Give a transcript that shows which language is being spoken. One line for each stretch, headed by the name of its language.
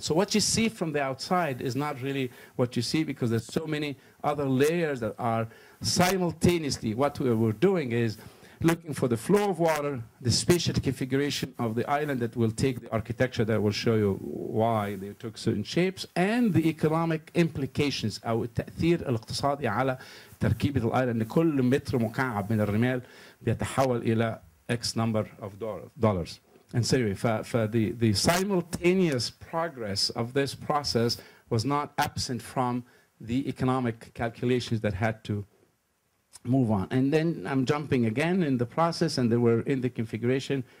English: So what you see from the outside is not really what you see, because there's so many other layers that are simultaneously. What we were doing is looking for the flow of water, the spatial configuration of the island that will take the architecture that will show you why they took certain shapes, and the economic implications.
Arabic: أو التأثير الاقتصادي على تركيبة الأيلاند. كل متر مكعب من الرمال بيتحول إلى
English: X number of dollars. And so anyway, the simultaneous progress of this process was not absent from the economic calculations that had to move on. And then I'm jumping again in the process, and they were in the configuration.